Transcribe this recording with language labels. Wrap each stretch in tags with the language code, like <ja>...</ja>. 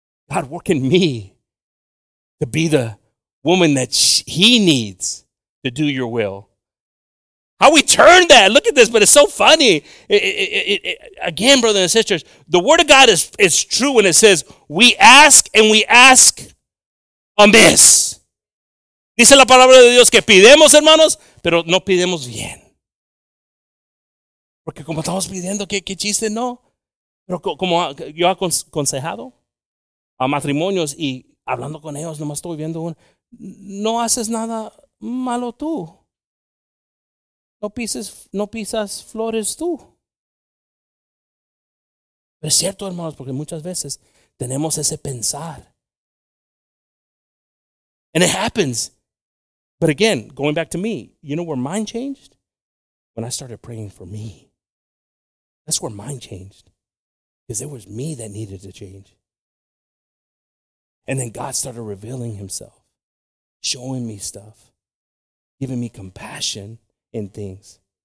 <en>God, work in me to be the woman that he needs to do your will. How we turn that. Look at this, but it's so funny. Again, brothers and sisters, the word of God is true when it says, we ask and we ask amiss.</en> <es>Dice la palabra de Dios que pidemos, hermanos, pero no pidemos bien. Porque como estamos pidiendo, ¿qué chiste, no? Pero como yo he aconsejado a matrimonios y hablando con ellos, nomás estoy viendo un, no haces nada malo tú. No pisas flores tú. Pero es cierto, hermanos, porque muchas veces tenemos ese pensar.</es> <en>And it happens. But again, going back to me, you know where mine changed? When I started praying for me. That's where mine changed. Because it was me that needed to change. And then God started revealing himself, showing me stuff, giving me compassion in things.</en>